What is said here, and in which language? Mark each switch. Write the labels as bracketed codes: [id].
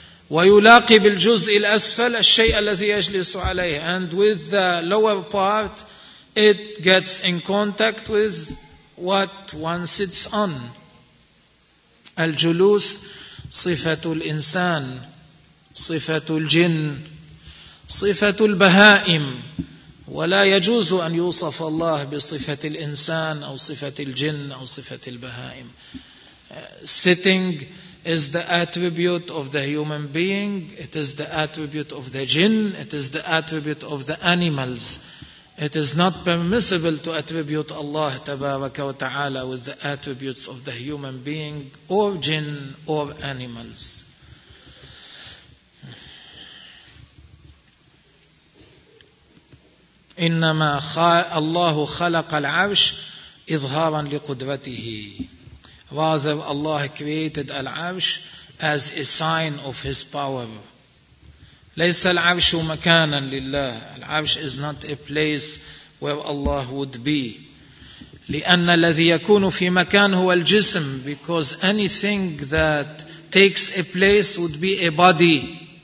[ar] ويلاقي بالجزء الأسفل الشيء الذي يجلس عليه, [en] and with the lower part it gets in contact with what one sits on. [ar] الجلوس صفة الإنسان, صفة الجن, صفة البهائم. ولا يجوز أن يوصف الله بصفة الإنسان أو صفة الجن أو صفة البهائم. [en] Sitting is the attribute of the human being. It is the attribute of the jinn. It is the attribute of the animals. It is not permissible to attribute Allah [ar] تبارك وتعالى [en] with the attributes of the human being or jinn or animals. [ar] إنما الله خلق العرش إظهارا لقدرته. [en] Rather, Allah created العرش as a sign of His power. [ar] ليس العرش مكانا لله. [en] العرش is not a place where Allah would be. [ar] لأن الذي يكون في مكان هو الجسم, [en] because anything that takes a place would be a body.